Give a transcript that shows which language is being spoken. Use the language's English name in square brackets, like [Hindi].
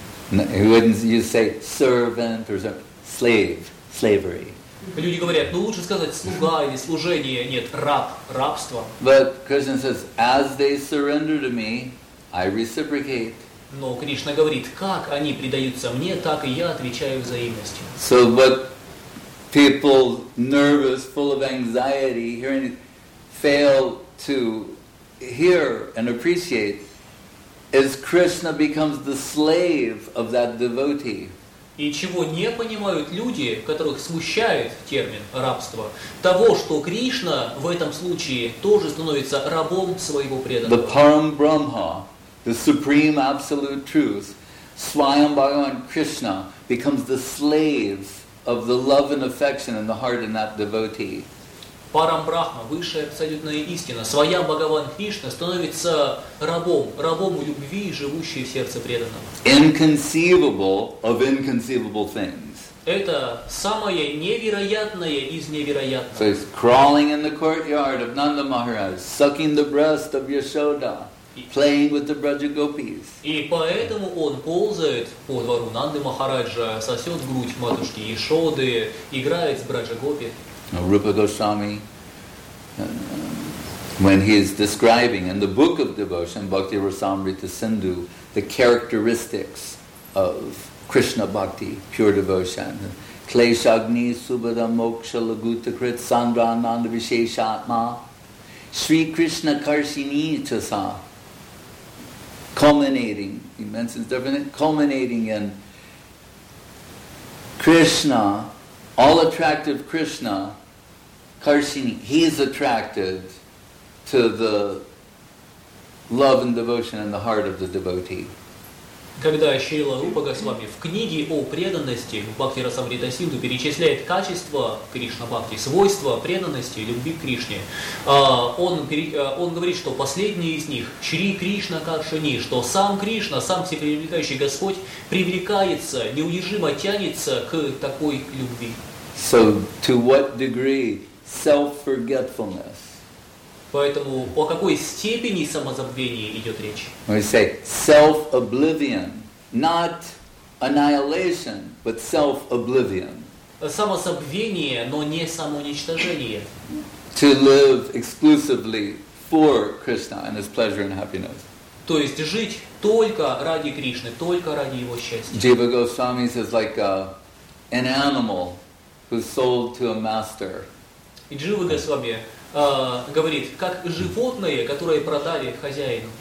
[English] Wouldn't you say servant or slave, slavery? [Russian] Люди говорят, ну лучше сказать слуга или служение, нет, раб, рабство. [English] But Krishna says, as they surrender to me, I reciprocate. [Russian] Но Кришна говорит, как они предаются мне, так и я отвечаю взаимностью. [English] So what people nervous, full of anxiety, hearing it, fail to hear and appreciate is Krishna becomes the slave of that devotee. [Russian] И чего не понимают люди, которых смущает термин рабство, того, что Кришна в этом случае тоже становится рабом своего преданного. [English] The Param Brahma, the Supreme Absolute Truth, Swayam Bhagavan Krishna becomes the slave of the love and affection in the heart of that devotee. [Russian] Param Брахма, высшая абсолютная истина, Свайам Бхагаван Кришна становится рабом, рабом любви, живущей в сердце преданного. [English] Inconceivable of inconceivable things. [Russian] Это самое невероятное из невероятного. [English] So he's crawling in the courtyard of Nanda Maharaj, sucking the breast of Yashoda, playing with the Braja Gopis. [Russian] И поэтому он ползает по двору Нанды Махараджа, сосет грудь матушки Яшоды, играет с Браджа Гопи. [English] Rupa Goswami, when he is describing in the book of devotion, Bhakti Rasamrita Sindhu, the characteristics of Krishna Bhakti, pure devotion, [Sanskrit] Kleshagni Subhada Moksha Laguta Krit Sandra Ananda Visheshatma, Sri Krishna Karshini Chasa, [English] culminating, he mentions different, culminating in Krishna, all attractive Krishna, Karshini, he is attracted to the love and devotion in the heart of the devotee. [Russian] Когда Шрила Рупа Госвами в книге о преданности в Бхакти Расамрита Синду перечисляет качества Кришна Бхакти, свойства преданности и любви к Кришне, он говорит, что последний из них – Шри Кришна Каршини, что сам Кришна, сам всепривлекающий Господь привлекается, неудержимо тянется к такой любви. [English] So to what degree self-forgetfulness. [Russian] Поэтому о какой степени самозабвения идет речь? [English] We say self-oblivion, not annihilation, but self-oblivion. [Russian] Самозабвение, но не самоуничтожение. [English] To live exclusively for Krishna and his pleasure and happiness. [Russian] То есть жить только ради Кришны, только ради его счастья. [English] Jiva Goswami says like an animal who's sold to a master. [Russian] И Джива Госвами говорит, как животные, которые продали хозяину.